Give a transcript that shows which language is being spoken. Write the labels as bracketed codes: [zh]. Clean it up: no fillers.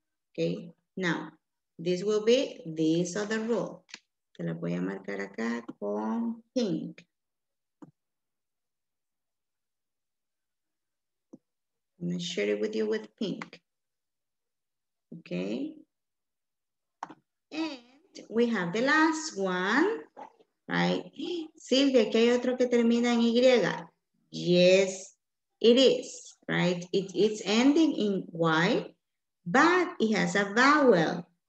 [en] Okay, now, this will be this other rule. [es] Te la voy a marcar acá con pink. [en] I'm gonna share it with you with pink. Okay. And we have the last one, right? [es] Silvia, ¿qué hay otro que termina en Y? [en] Yes, it is, right? It's ending in Y, but it has a vowel.